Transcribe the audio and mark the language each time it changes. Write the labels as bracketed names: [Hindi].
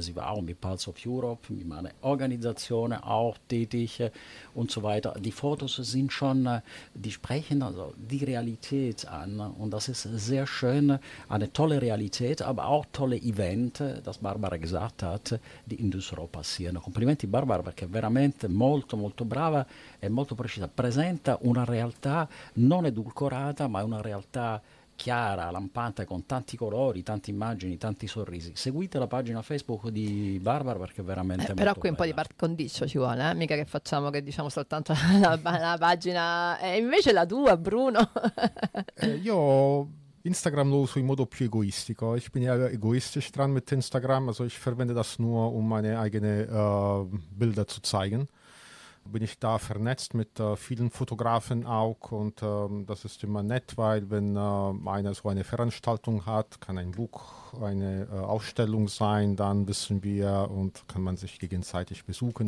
[German] Sie war auch mit Pulse of Europe, mit meiner Organisation auch tätig und so weiter. Die Fotos sind schon, die sprechen also die Realität an und das ist sehr schön, eine tolle Realität, aber auch tolle Event, das Barbara gesagt hat, di Indusro passieren. [Italian] Complimenti Barbara perché è veramente molto molto brava e molto precisa, presenta una realtà non edulcorata ma una realtà chiara, lampante, con tanti colori, tante immagini, tanti sorrisi. Seguite la pagina Facebook di Barbara perché è veramente però molto qui bella. Un po' di condicio ci vuole, eh? Mica che facciamo che diciamo soltanto la pagina e invece la tua, Bruno. Io Instagram lo uso in modo più egoistico, [German] ich bin ja egoistisch dran mit Instagram, also ich verwende das nur, um meine eigenen Bilder zu zeigen. bin ich da vernetzt mit vielen Fotografen auch. Und das ist immer nett, weil wenn einer so eine Veranstaltung hat, kann ein Buch, eine Ausstellung sein, dann wissen wir und kann man sich gegenseitig besuchen.